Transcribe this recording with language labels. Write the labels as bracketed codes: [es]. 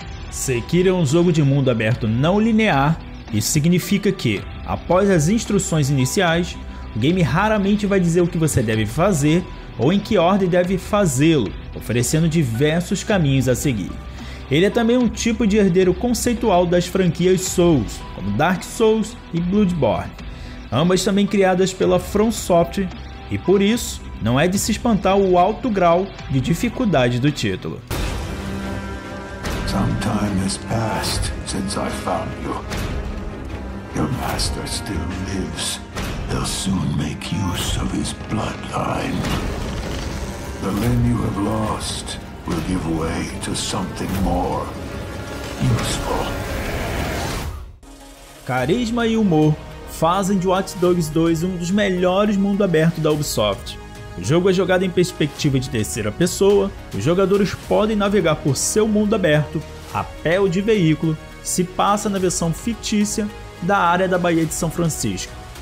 [pt] Sekiro é um jogo de mundo aberto não linear, isso significa que, após as instruções iniciais, o game raramente vai dizer o que você deve fazer ou em que ordem deve fazê-lo, oferecendo diversos caminhos a seguir. Ele é também um tipo de herdeiro conceitual das franquias Souls, como Dark Souls e Bloodborne, ambas também criadas pela From Software, e por isso, não é de se espantar o alto grau de dificuldade do título. [en] Some time has passed since I found you. Your master still lives. He'll soon make use of his bloodline. The limb you have lost will give way to something more useful. [pt] Carisma e humor fazem de Watch Dogs 2 um dos melhores mundo aberto da Ubisoft. O jogo é jogado em perspectiva de terceira pessoa, os jogadores podem navegar por seu mundo aberto, a pé ou de veículo, se passa na versão fictícia da área da Baía de São Francisco.